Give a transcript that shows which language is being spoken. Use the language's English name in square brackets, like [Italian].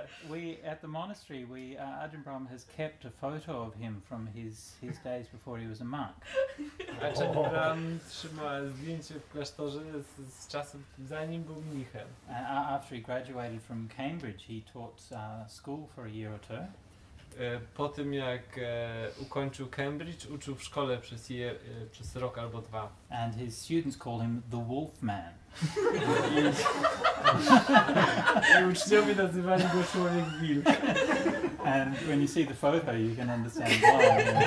[English] We at the monastery, Ajahn Brahm has kept a photo of him from his days before he was a monk. [Polish] Ajahn Brahm trzyma zdjęcie w klasztorze z czasów zanim był mnichem. [English] After he graduated from Cambridge, he taught school for a year or two. [Polish] Po tym jak ukończył Cambridge, uczył w szkole przez rok albo dwa. [English] And his students call him the Wolf Man. [Polish] I uczniowie nazywali go Człowiek Wilk. [English] And when you see the photo, you can understand why.